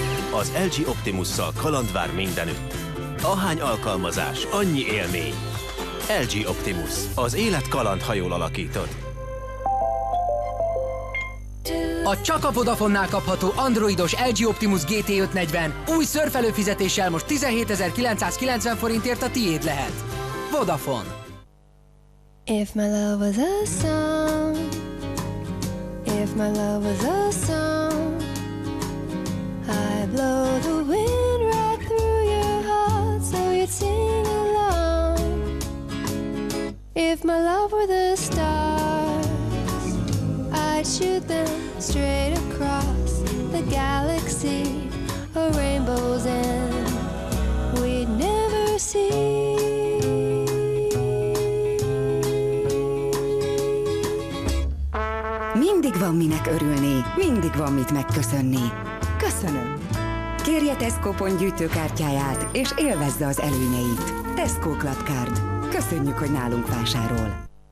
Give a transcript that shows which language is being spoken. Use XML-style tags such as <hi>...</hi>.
<hu>Az LG Optimus-szal kalandvár mindenütt. Ahány alkalmazás, annyi élmény. LG Optimus. Az élet kalandhajól alakítod. A csak a Vodafone-nál kapható androidos LG Optimus GT 540 új szörfelő fizetéssel most 17.990 forintért a tiéd lehet. Vodafone.</hu> <en>If my love was a song, if my love was a song, I'd blow the wind right through your heart so you'd sing along. If my love were the stars, I'd shoot them straight across the galaxy, a rainbow's end we'd never see.</en> <hu>Mindig van minek örülni, mindig van mit megköszönni. Köszönöm! Nyerje Tesco pont gyűjtőkártyáját, és élvezze az előnyeit. Tesco Club Card. Köszönjük, hogy nálunk vásárol.</hu>